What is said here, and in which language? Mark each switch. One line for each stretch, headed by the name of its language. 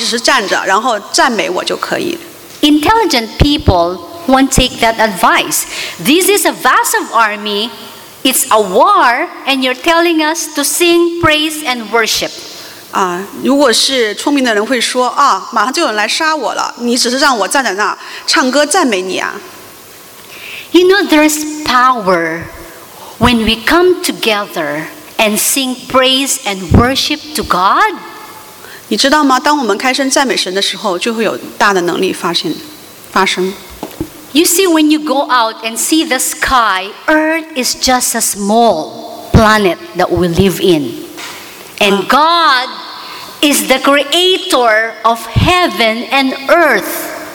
Chinese: 明天就有敌人来杀你了，但是神说，你只是站着，然后赞美我就可以。
English: Intelligent people won't take that advice. This is a vast of army, it's a war, and you're telling us to sing praise and worship.
Chinese: 如果是聪明的人会说，马上就有人来杀我了，你只是让我站在那，唱歌赞美你啊。
English: You know, there's power when we come together and sing praise and worship to God.
Chinese: 你知道吗？当我们开声赞美神的时候，就会有大的能力发生。
English: You see, when you go out and see the sky, Earth is just a small planet that we live in. And God is the creator of heaven and earth.